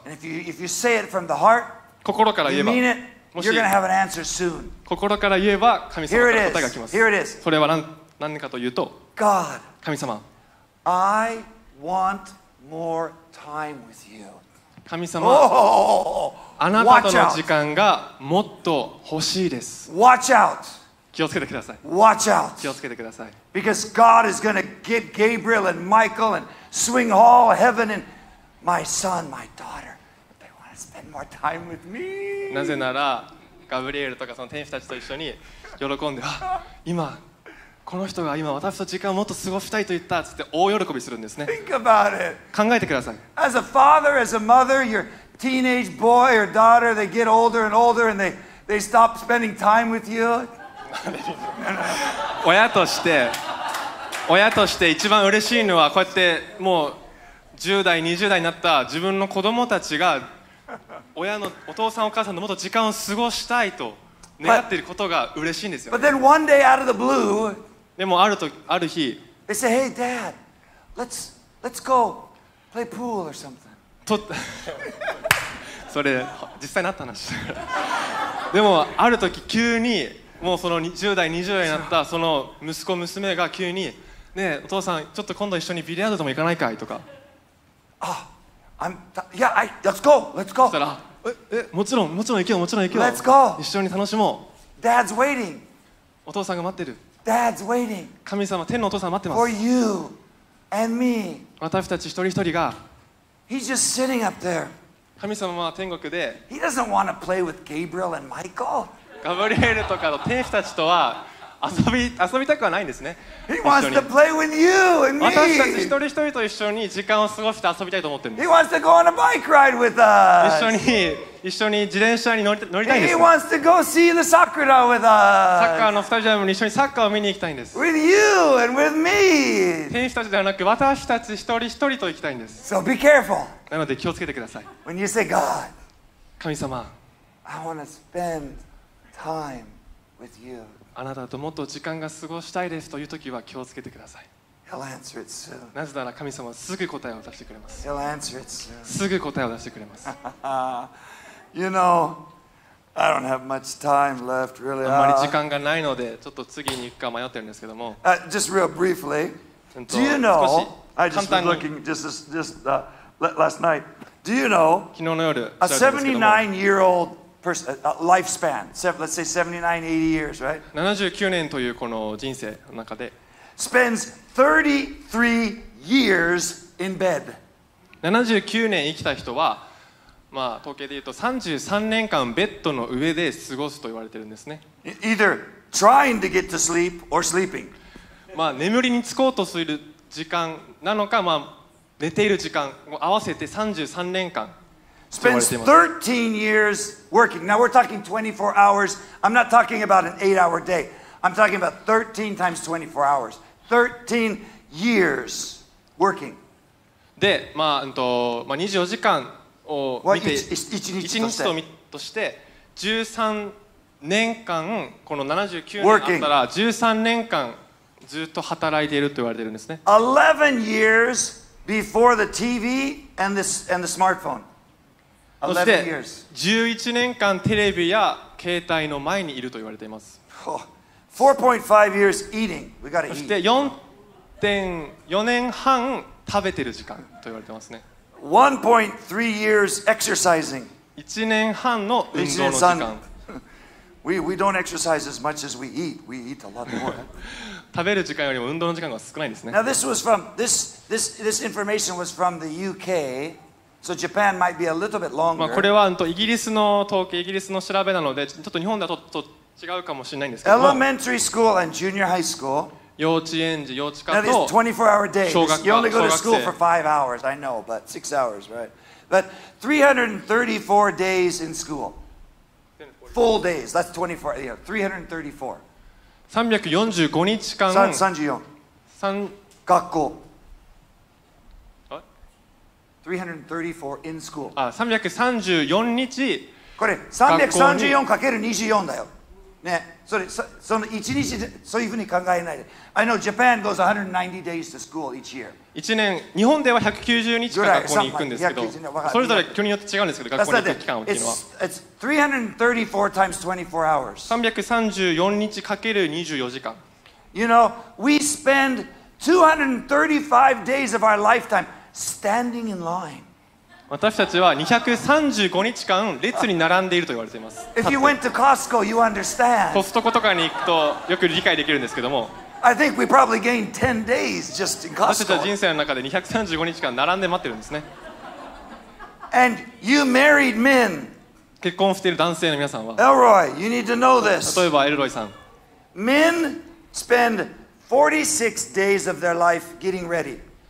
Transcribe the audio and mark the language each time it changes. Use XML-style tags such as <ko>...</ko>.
<en>And if you say it from the heart,</en> <ja>心から言えば、</ja> <en>You mean it, you're going to have an answer soon.</en> <ja>心から言えば神様から答えが来ます。</ja> <en>Here it is.</en> <ja>それは何かというと、</ja> <en>God.</en> <ja>神様。</ja> <en>I want more time with you.</en> <ja>神様、あなたとの時間がもっと欲しいです。</ja> <en>Watch out.</en> <ja>気をつけてください。</ja> <en>Watch out.</en> <ja>気をつけてください。</ja> <en>Because God is going to get Gabriel and Michael and swing all heaven and my son, my daughter. They want to spend more time with me.</en> <ja>なぜなら、ガブリエルとかその天使たちと一緒に喜んで、今、この人が今私と時間をもっと過ごしたいと言ったって大喜びするんですね。</ja> <en>Think about it.</en> <ja>考えてください。</ja> <en>As a father, as a mother, your teenage boy or daughter, they get older and older and they stop spending time with you.</en> <ja>親として一番嬉しいのはこうやってもう10代20代になった自分の子供たちが親のお父さんお母さんのもっと時間を過ごしたいと願っていることが嬉しいんですよ。</ja> <en>But then one day out of the blue,</en> <ja>でもある日</ja> <en>they say, hey dad, let's go play pool or something.</en> <ja>それ実際になった話。でもある時急にもうその10代20代になったその息子娘が急にねえお父さんちょっと今度一緒にビリヤードでも行かないかいとか。</ja> <en>あ、let's go。</en> <ja>したら、もちろん行けよ、もちろん行けよ。</ja> <en>Let's go。</en> <ja>一緒に楽しもう。</ja> <en>Dad's waiting。</en> <ja>お父さんが待ってる。</ja> <en>Dad's waiting。</en> <ja>神様、天のお父さん待ってます。</ja> <en>For you and me。</en> <ja>私たち一人一人が。</ja> <en>He's just sitting up there。</en> <ja>神様は天国で。</ja> <en>He doesn't want to play with Gabriel and Michael。</en> <ja>ガブリエルとかの天使たちとは遊びたくはないんですね。</ja> <en>He wants to play with you and me.</en> <ja>私たち一人一人と一緒に時間を過ごして遊びたいと思ってるんです。</ja> <en>He wants to go on a bike ride with us.</en> <ja>一緒に自転車に乗りたいんです。</ja> <en>He wants to go see the Sakura with us.</en> <ja>サッカーのスタジアムに一緒にサッカーを見に行きたいんです。</ja> <en>With you and with me.</en> <ja>天使たちではなく私たち一人一人と行きたいんです。</ja> <en>So be careful.</en> <ja>なので気をつけてください。</ja> <en>When you say God,</en> <ja>神様、</ja> <en>I want to spend time with you.</en> <ja>あなたともっと時間が過ごしたいですというときは気をつけてください。</ja> <en>He'll answer it soon.</en> <ja>なぜなら神様はすぐ答えを出してくれます。</ja> <en>He'll answer it soon.</en> <ja>すぐ答えを出してくれます。</ja> <en>You know, I don't have much time left, really.</en> <ja>あんまり時間がないのでちょっと次に行くか迷ってるんですけども、</ja> <en>Just real briefly, do you know, I just was looking just last night, do you know,</en> <ja>昨日の夜、</ja> <en>a 79-year-oldlifespan, let's say 79, 80 years, right?</en> <ja>79年というこの人生の中で</ja> <en>spends 33 years in bed.</en> <ja>79年生きた人は、まあ、統計で言うと33年間ベッドの上で過ごすと言われてるんですね。</ja> <en>Either trying to get to sleep or sleeping.</en> <ja>まあ、眠りにつこうとする時間なのか、まあ、寝ている時間を合わせて33年間</ja> <en>Spends 13 years working. Now we're talking 24 hours. I'm not talking about an 8-hour day. I'm talking about 13 times 24 hours. 13 years working.</en> <ja>で、まあ、24時間を見て、 1日として、13年間、この79年あったら、13年間ずっと働いていると言われているんですね。</ja> <en>11 years before the TV and the smartphone.</en> <ja>そして11年間テレビや携帯の前にいると言われています。</ja> <en>4.5 years eating. We gotta eat.</en> <ja>そして 4.4 年半食べてる時間と言われてますね。</ja> <en>1.3 years exercising.</en> <ja>1年半の運動の時間。</ja> <en>We don't exercise as much as we eat. We eat a lot more.</en> <ja>食べる時間よりも運動の時間が少ないですね。</ja> <en>Now this was from this information was from the UK. So Japan might be a little bit longer.</en> <ja>まあこれはイギリスの統計、イギリスの調べなので、ちょっと日本ではちょっと違うかもしれないんですけども。</ja> <en>Elementary school and junior high school.</en> <ja>幼稚園児、幼稚科と。</ja> <en>Now this is 24-hour day.</en> <ja>小学校、</ja> <en>You only go to school for 5 hours, I know, but 6 hours, right? But 334 days in school. Full days, that's 24, yeah, 334.</en> <ja>345日間。34。 学校。</ja> <en>334 in school. 334日。</en> <ja>これ 334×24 だよ。ね。それ、その1日でそういうふうに考えないで。</ja> <en>I know Japan goes 190 days to school each year.</en> <ja>1年、日本では190日間学校に行くんですけど、それぞれ距離によって違うんですけど、学校に行く期間っていうのは。</ja> <en>It's 334 times 24 hours.</en> <ja>334日×24時間。</ja> <en>You know, we spend 235 days of our lifetime. Standing in line.</en> <ja>私たちは235日間列に並んでいると言われています。</ja> <en>If you went to Costco, you understand.</en> <ja>コストコとかに行くとよく理解できるんですけども。</ja> <en>I think we probably gained 10 days just in Costco.</en> <ja>私たちは人生の中で235日間並んで待ってるんですね。</ja> <en>And you married men.</en> <ja>結婚している男性の皆さんは。</ja> <en>Elroy, you need to know this.</en> <ja>例えばエルロイさん。</ja> <en>Men spend 46 days of their life getting ready.</en>